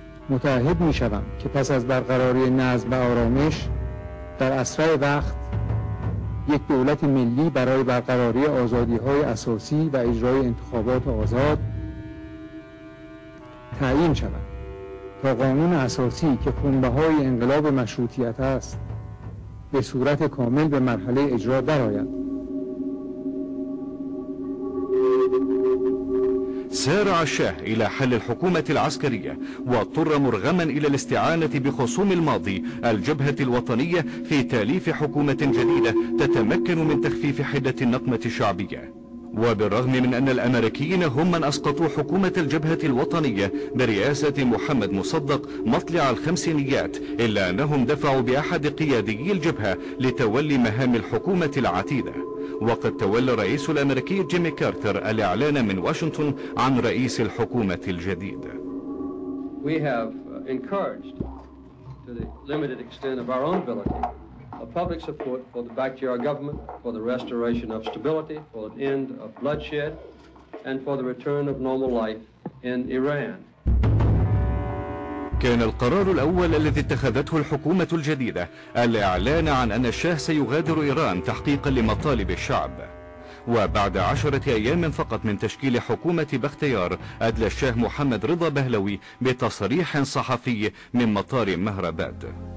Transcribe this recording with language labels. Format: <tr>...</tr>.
<fa>متعهد می شوم که پس از برقراری نظم و آرامش در اسرع وقت یک دولت ملی برای برقراری آزادی های اساسی و اجرای انتخابات آزاد تعیین شود تا قانون اساسی که خونبهای انقلاب مشروطیت است به صورت کامل به مرحله اجرا درآید.</fa> <ar>سارع الشاه إلى حل الحكومة العسكرية، واضطر مرغما إلى الاستعانة بخصوم الماضي الجبهة الوطنية في تأليف حكومة جديدة تتمكن من تخفيف حدة النقمة الشعبية. وبالرغم من أن الأمريكيين هم من أسقطوا حكومة الجبهة الوطنية برئاسة محمد مصدق مطلع الخمسينيات، إلا أنهم دفعوا بأحد قيادي الجبهة لتولي مهام الحكومة العتيدة. وقد تولى الرئيس الأمريكي جيمي كارتر الإعلان من واشنطن عن رئيس الحكومة الجديد.</ar> <en>We have encouraged to the limited extent of our own ability a public support for the Bakhtiar government for the restoration of stability, for the end of bloodshed, and for the return of normal life in Iran.</en> <ar>كان القرار الأول الذي اتخذته الحكومة الجديدة الإعلان عن أن الشاه سيغادر إيران تحقيقا لمطالب الشعب. وبعد 10 أيام فقط من تشكيل حكومة بختيار، أدلى الشاه محمد رضا بهلوي بتصريح صحفي من مطار مهرباد.</ar>